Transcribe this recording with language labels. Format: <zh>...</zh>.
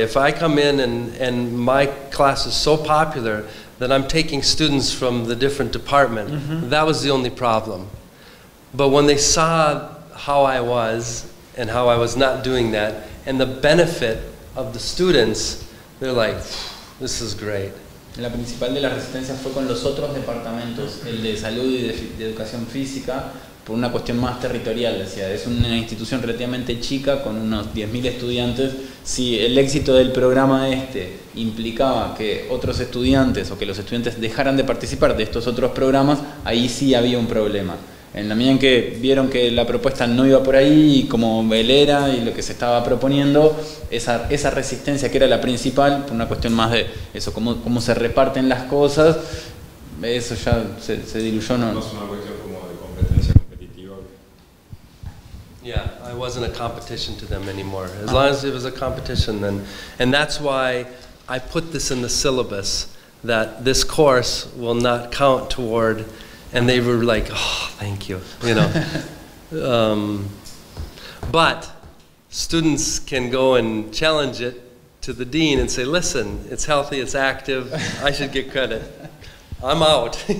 <en>If I come in and my class is so popular that I'm taking students from the different department, mm-hmm. that was the only problem. But when they saw how I was and how I was not doing that and the benefit of the students, they're like, this is great.</en> <es>La principal de las resistencias fue con los otros departamentos, el de salud y de educación física, por una cuestión más territorial, decía. Es una institución relativamente chica con unos 10.000 estudiantes. Si el éxito del programa este implicaba que otros estudiantes o que los estudiantes dejaran de participar de estos otros programas, ahí sí había un problema. En la medida en que vieron que la propuesta no iba por ahí, como él era y lo que se estaba proponiendo, esa resistencia que era la principal, por una cuestión más de eso, cómo se reparten las cosas, eso ya se diluyó. No es una cuestión como de competencia competitiva.</es> <en>Yeah, I wasn't a competition to them anymore. As long as it was a competition, then. And that's why I put this in the syllabus, that this course will not count toward. And they were like, oh, thank you, you know. But students can go and challenge it to the dean and say, listen, it's healthy, it's active, I should get credit. I'm out.</en>